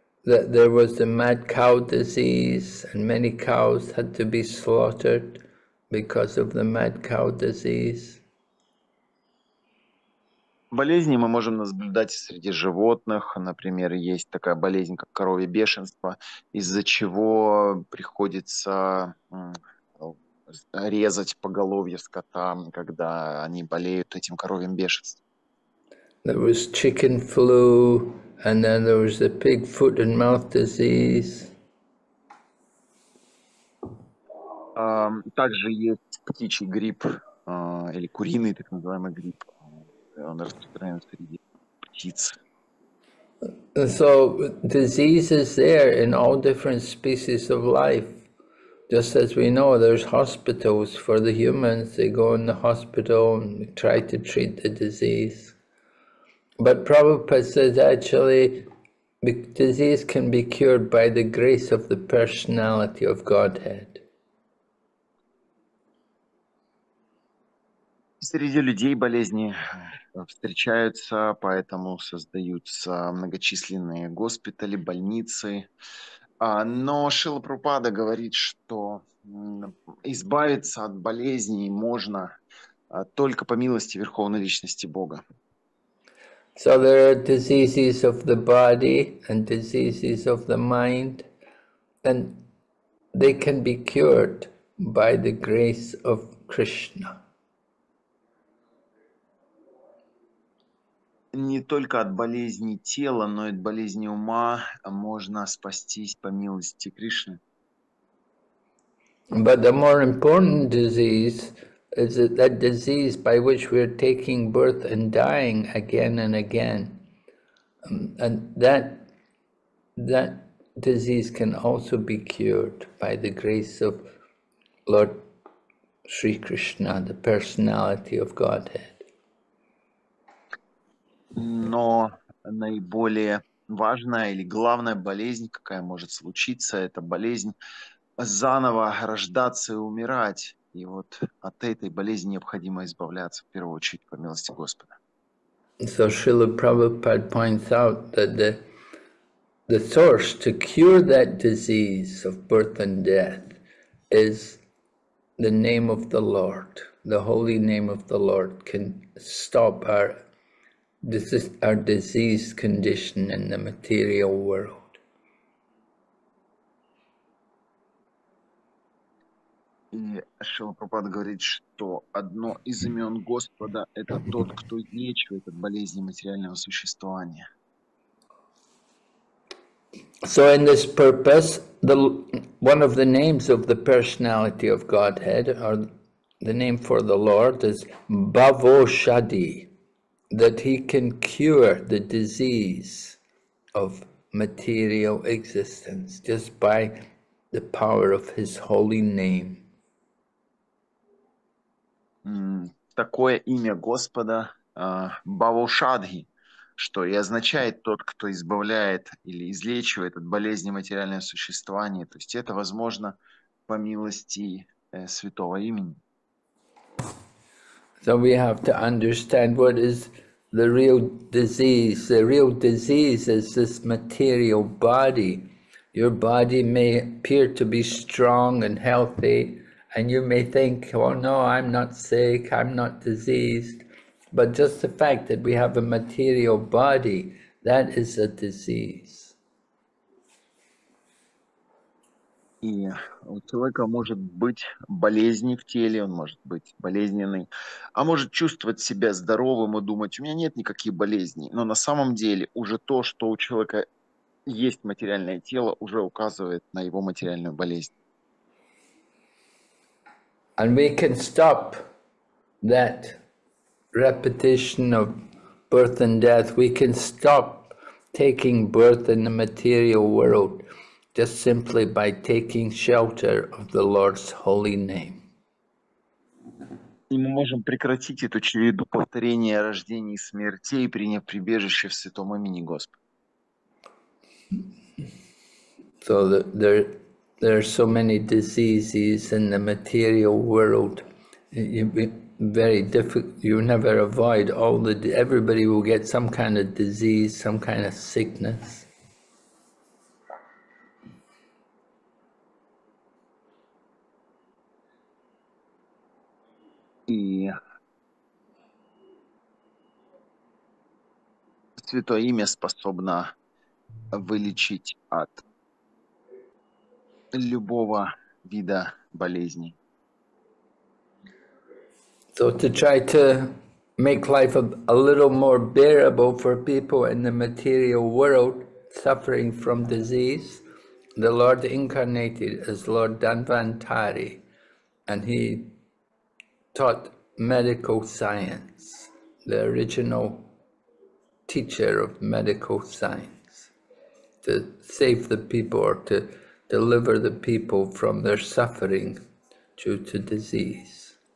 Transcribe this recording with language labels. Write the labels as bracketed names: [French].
[English] That there was the mad cow disease, and many cows had to be slaughtered because of the mad cow disease. [Russian] Болезни мы можем наблюдать среди животных. Например, есть такая болезнь, как коровье бешенство, из-за чего приходится резать поголовье скота, когда они болеют этим коровьим бешенством. [English] There was chicken flu, and then there was the pig foot and mouth disease. [Russian] Также есть птичий грипп, или куриный так называемый грипп. Он распространяется среди птиц. [English] So disease is there in all different species of life. Just as we know, there's hospitals for the humans. They go in the hospital and try to treat the disease. But Prabhupada says, actually, disease can be cured by the grace of the personality of Godhead. [Russian] Среди людей болезни встречаются, поэтому создаются многочисленные госпитали, больницы. Но Шрила Прабхупада говорит, что избавиться от болезней можно только по милости Верховной Личности Бога. [English] So there are diseases of the body and diseases of the mind, and they can be cured by the grace of Krishna. [Russian] не только от болезни тела, но и от болезни ума можно спастись по милости Кришны. [English] But the more important disease is that disease by which we are taking birth and dying again and again. And that disease can also be cured by the grace of Lord Shri Krishna, the personality of Godhead. [Russian] Но наиболее важная или главная болезнь, какая может случиться, это болезнь заново рождаться и умирать. И вот от этой болезни необходимо избавляться в первую очередь по милости Господа. [English] So Srila Prabhupada points out that the source to cure that disease of birth and death is the name of the Lord. The holy name of the Lord can stop our diseased condition in the material world. [Russian] И Шрила Прабхупада говорит, что одно из имен Господа – это тот, кто излечивает от болезни материального существования. [English] So in this purpose, one of the names of the personality of Godhead, or the name for the Lord, is Bhavoshadi, that he can cure the disease of material existence just by the power of his holy name. [Russian] Такое имя Господа Бавушадхи, что и означает тот, кто избавляет или излечивает от болезни материального существования. То есть это возможно по милости святого имени. [English] So we have to understand what is the real disease. The real disease is this material body. Your body may appear to be strong and healthy. And you may think, oh no, I'm not sick, I'm not diseased. But just the fact that we have a material body, that is a disease. [Russian] И у человека может быть болезни в теле, он может быть болезненный, а может чувствовать себя здоровым и думать, у меня нет никаких болезней. Но на самом деле уже то, что у человека есть материальное тело, уже указывает на его материальную болезнь. [English] And we can stop that repetition of birth and death. We can stop taking birth in the material world just simply by taking shelter of the Lord's holy name. [Russian] И мы можем прекратить эту череду повторения рождений и смертей, приняв прибежище в святом имени Господа. [English] So there are so many diseases in the material world. You never avoid all the. Everybody will get some kind of disease, some kind of sickness. [Russian] Святое имя способно вылечить от любого вида болезней. [English] So to try to make life a little more bearable for people in the material world suffering from disease, the Lord incarnated as Lord Dhanvantari, and he taught medical science, the original teacher of medical science, to save the people or to deliver the people from their suffering due to disease.